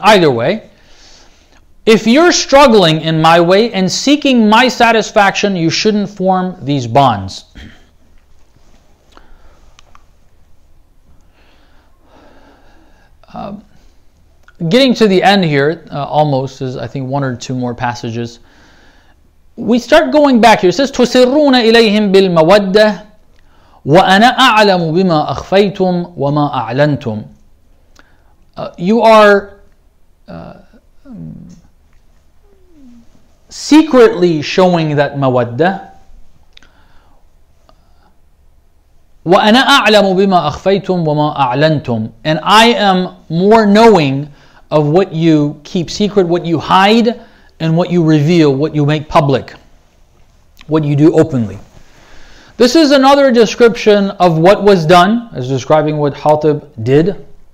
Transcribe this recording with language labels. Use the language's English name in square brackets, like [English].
[English] Either way, if you're struggling in my way and seeking my satisfaction, you shouldn't form these bonds. Getting to the end here, almost, is I think one or two more passages. We start going back here. It says, [Arabic] تُسِرُّونَ إِلَيْهِمْ بِالْمَوَدَّةِ وَأَنَا أَعْلَمُ بِمَا أَخْفَيْتُمْ وَمَا أَعْلَنْتُمْ. [English] You are secretly showing that [Arabic] مَوَدَّةِ وَأَنَا أَعْلَمُ بِمَا أَخْفَيْتُمْ وَمَا أَعْلَنْتُمْ. [English] And I am more knowing of what you keep secret, what you hide, and what you reveal, what you make public, what you do openly. This is another description of what was done, as describing what Hatib did.